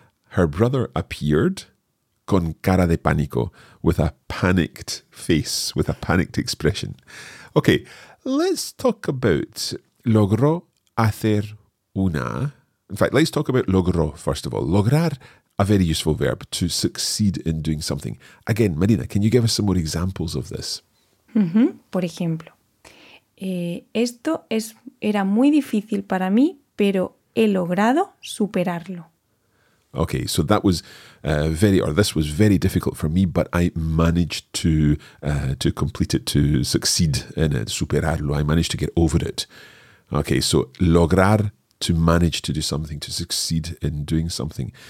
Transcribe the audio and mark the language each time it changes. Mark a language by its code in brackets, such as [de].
[en] Her brother appeared [es] con cara de pánico, [en] with a panicked face, with a panicked expression. Okay, let's talk about [es] logró hacer una. [en] In fact, let's talk about logró, first of all. Lograr, a very useful verb, to succeed in doing something. Again, Marina, can you give us some more examples of this? Mm-hmm. [es] Por ejemplo, esto es era muy difícil para mí, pero he logrado superarlo. [en] Okay, so that was this was very difficult for me, but I managed to complete it, to succeed in it, superarlo. I managed to get over it. Okay, so lograr, to manage to do something, to succeed in doing something.